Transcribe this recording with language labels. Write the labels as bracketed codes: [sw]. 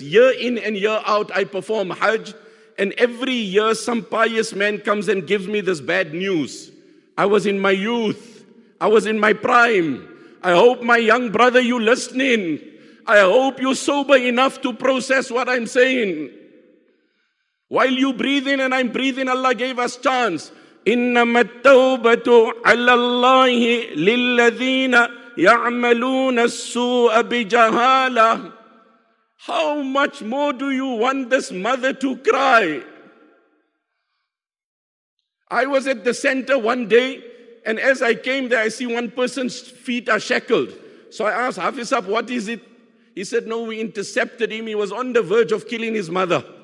[en] Year in and year out, I perform Hajj. And every year, some pious man comes and gives me this bad news. I was in my youth. I was in my prime. I hope, my young brother, you listening. I hope you're sober enough to process what I'm saying. While you breathing and I'm breathing, Allah gave us chance. [ar] إنما التوبة على الله للذين يعملون السوء بجهالة. [en] How much more do you want this mother to cry? I was at the center one day, and as I came there, I see one person's feet are shackled. So I asked Hafiz Saab, what is it? He said, no, we intercepted him. He was on the verge of killing his mother.